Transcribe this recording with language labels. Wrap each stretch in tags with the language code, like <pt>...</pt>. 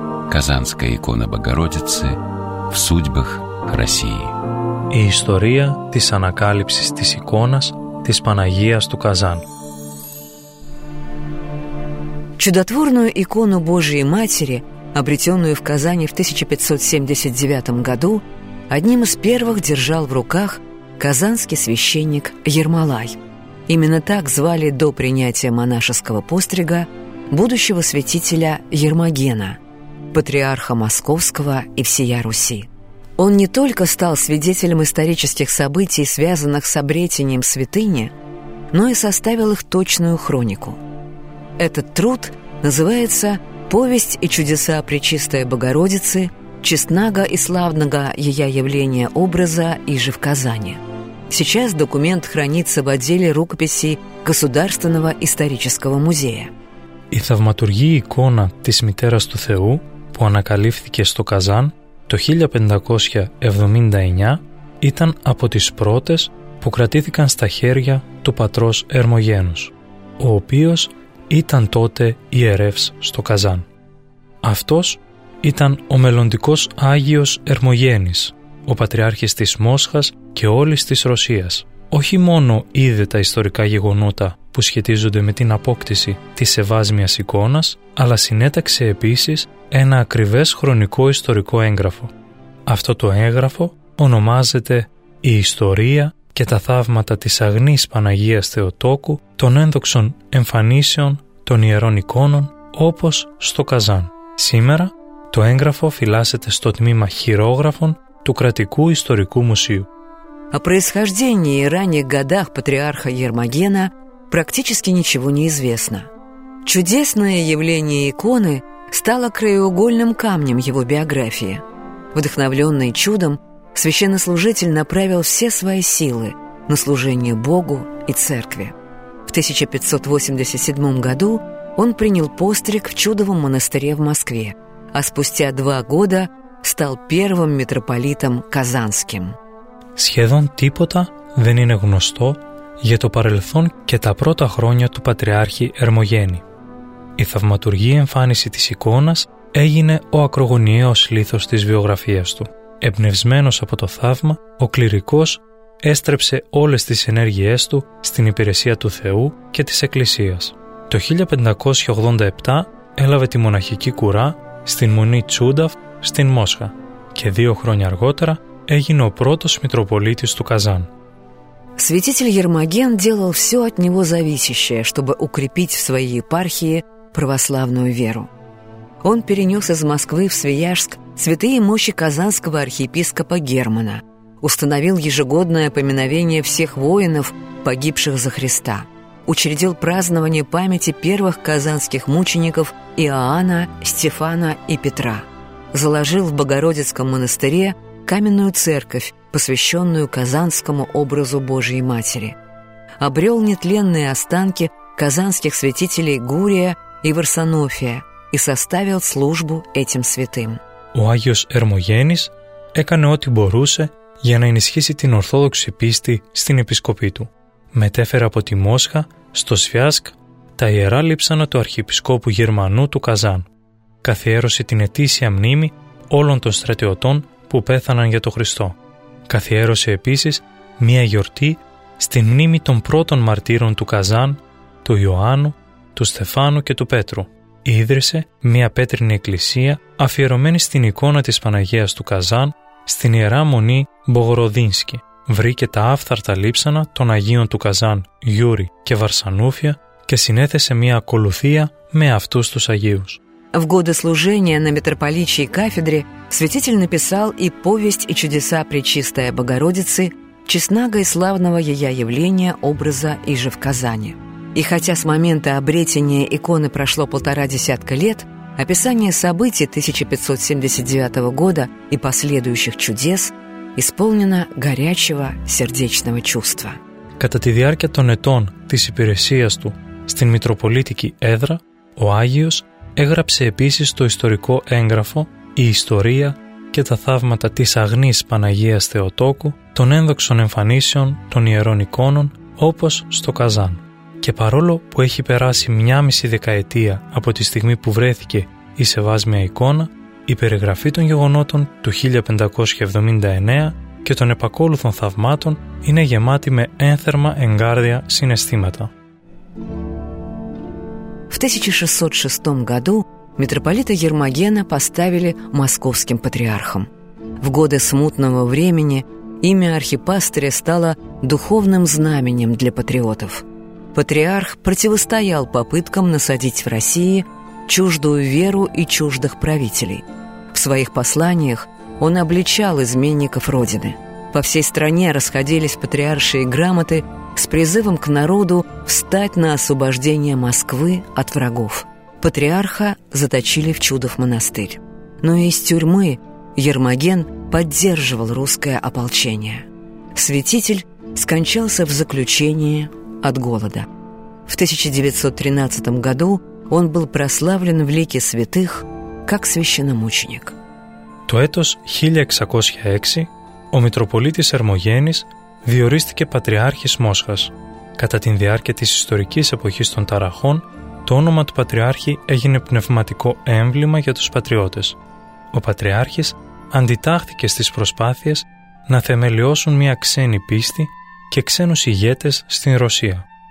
<ru>Казанская икона Богородицы в судьбах России.</ru> <el>Η ιστορία της ανακάλυψης της εικόνας της Παναγίας του Καζάν.</el> <ru>Чудотворную икону Божией Матери, обретенную в Казани в 1579 году, одним из первых держал в руках казанский священник Ермолай. Именно так звали до принятия монашеского пострига будущего святителя Ермогена, патриарха Московского и всея Руси. Он не только стал свидетелем исторических событий, связанных с обретением святыни, но и составил их точную хронику. Этот труд называется «Повесть и чудеса Пречистой Богородицы, честного и славного ея явления образа иже в Казани». Сейчас документ хранится в отделе рукописей Государственного исторического музея.</ru> <el>Η θαυματουργή εικόνα της Μητέρας του Θεού που ανακαλύφθηκε στο Καζάν το 1579 ήταν από τις πρώτες που κρατήθηκαν στα χέρια του πατρός Ερμογένους, ο οποίος ήταν τότε ιερεύς στο Καζάν. Αυτός ήταν ο μελλοντικός Άγιος Ερμογένης, ο Πατριάρχης της Μόσχας και όλης της Ρωσίας. Όχι μόνο είδε τα ιστορικά γεγονότα που σχετίζονται με την απόκτηση της σεβάσμιας εικόνας, αλλά συνέταξε επίσης ένα ακριβές χρονικό ιστορικό έγγραφο. Αυτό το έγγραφο ονομάζεται «Η ιστορία και τα θαύματα της Αγνής Παναγίας Θεοτόκου των ένδοξων εμφανίσεων των ιερών εικόνων όπως στο Καζάν». Σήμερα το έγγραφο φυλάσσεται στο τμήμα χειρόγραφων του Κρατικού Ιστορικού Μουσείου.</el> <ru>О происхождении и ранних годах патриарха Ермогена практически ничего не известно. Чудесное явление иконы стало краеугольным камнем его биографии. Вдохновленный чудом, священнослужитель направил все свои силы на служение Богу и Церкви. В 1587 году он принял постриг в Чудовом монастыре в Москве, а спустя два года стал первым митрополитом казанским.</ru> <el>Σχεδόν τίποτα δεν είναι γνωστό για το παρελθόν και τα πρώτα χρόνια του Πατριάρχη Ερμογένη. Η θαυματουργή εμφάνιση της εικόνας έγινε ο ακρογωνιαίος λίθος της βιογραφίας του. Εμπνευσμένος από το θαύμα, ο κληρικός έστρεψε όλες τις ενέργειές του στην υπηρεσία του Θεού και της Εκκλησίας. Το 1587 έλαβε τη μοναχική κουρά στην Μονή Τσούνταφ στην Μόσχα και 2 χρόνια αργότερα έγινε ο πρώτος Μητροπολίτης του Καζάν.</el> <ru>Святитель Ермоген делал все от него зависящее, чтобы укрепить в своей епархии православную веру. Он перенес из Москвы в Свияжск святые мощи казанского архиепископа Германа, установил ежегодное поминовение всех воинов, погибших за Христа, учредил празднование памяти первых казанских мучеников Иоанна, Стефана и Петра, заложил в Богородицком монастыре каменную церковь, посвященную казанскому образу Божьей Матери, обрел нетленные останки казанских святителей Гурия и Варсонофия и составил службу этим святым.</ru> <el>Ο Άγιος Ερμογέννης έκανε ό,τι μπορούσε για να ενισχύσει την ορθόδοξη πίστη στην επισκοπή του. Μετέφερε από τη Μόσχα στο Σφιάσκ τα ιερά λείψανα του αρχιεπισκόπου Γερμανού του Καζάν. Καθιέρωσε την ετήσια μνήμη όλων των στρατιωτών που πέθαναν για τον Χριστό. Καθιέρωσε επίσης μία γιορτή στην μνήμη των πρώτων μαρτύρων του Καζάν, του Ιωάννου, του Στεφάνου και του Πέτρου. Ίδρυσε μία πέτρινη εκκλησία αφιερωμένη στην εικόνα της Παναγίας του Καζάν στην Ιερά Μονή Μπογοροδίνσκι. Βρήκε τα άφθαρτα λείψανα των Αγίων του Καζάν, Γιούρι και Βαρσανούφια και συνέθεσε μία ακολουθία με αυτούς τους Αγίους.</el> <ru>В годы служения на митрополичьей кафедре святитель написал и повесть, и чудеса Пречистой Богородицы, честного и славного ее явления, образа иже в Казани. И хотя с момента обретения иконы прошло 1,5 десятка лет, описание событий 1579 года и последующих чудес исполнено горячего сердечного чувства.</ru> <el>Κατά τη διάρκεια των ετών της υπηρεσίας του στην Μητροπολίτικη Έδρα, ο Άγιος έγραψε επίσης το ιστορικό έγγραφο «Η ιστορία και τα θαύματα της Αγνής Παναγίας Θεοτόκου, των ένδοξων εμφανίσεων των ιερών εικόνων, όπως στο Καζάν». Και παρόλο που έχει περάσει 1,5 δεκαετία από τη στιγμή που βρέθηκε η σεβάσμια εικόνα, η περιγραφή των γεγονότων του 1579 και των επακόλουθων θαυμάτων είναι γεμάτη με ένθερμα εγκάρδια συναισθήματα.</el> <ru>В 1606 году митрополита Ермогена поставили московским патриархом. В годы смутного времени имя архипастыря стало духовным знаменем для патриотов. Патриарх противостоял попыткам насадить в России чуждую веру и чуждых правителей. В своих посланиях он обличал изменников Родины. По всей стране расходились патриаршие грамоты с призывом к народу встать на освобождение Москвы от врагов. Патриарха заточили в Чудов монастырь. Но из тюрьмы Ермоген поддерживал русское ополчение. Святитель скончался в заключении от голода. В 1913 году он был прославлен в лике святых как священномученик.</ru> <el>То этос 1606 ο митрополитис Ермогенис διορίστηκε Πατριάρχης Μόσχας. Κατά την διάρκεια της ιστορικής εποχής των Ταραχών, το όνομα του Πατριάρχη έγινε πνευματικό έμβλημα για τους πατριώτες. Ο Πατριάρχης αντιτάχθηκε στις προσπάθειες να θεμελιώσουν μια ξένη πίστη και ξένους ηγέτες στην Ρωσία.</el>